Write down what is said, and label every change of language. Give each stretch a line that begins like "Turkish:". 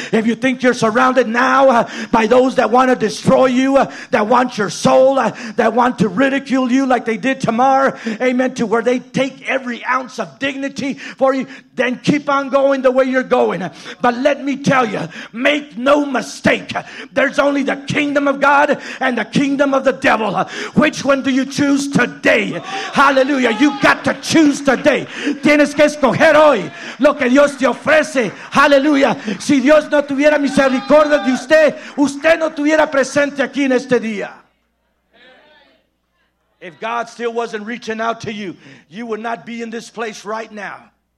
English: If you think you're surrounded now by those that want to destroy you, that want your soul, that want to ridicule you like they did Tamar, amen, to where they take every ounce of dignity for you, then keep on going the way you're going. But let me tell you, make no mistake, there's only the kingdom of God and the kingdom of the devil. Which one do you choose today? Hallelujah. You got to choose today.
Spanish: Tienes que escoger hoy lo que Dios te ofrece. Hallelujah. Si Dios no tuviera misericordia de usted, usted no tuviera presente aquí en este día.
English: If God still wasn't reaching out to you, you would not be in this place right now.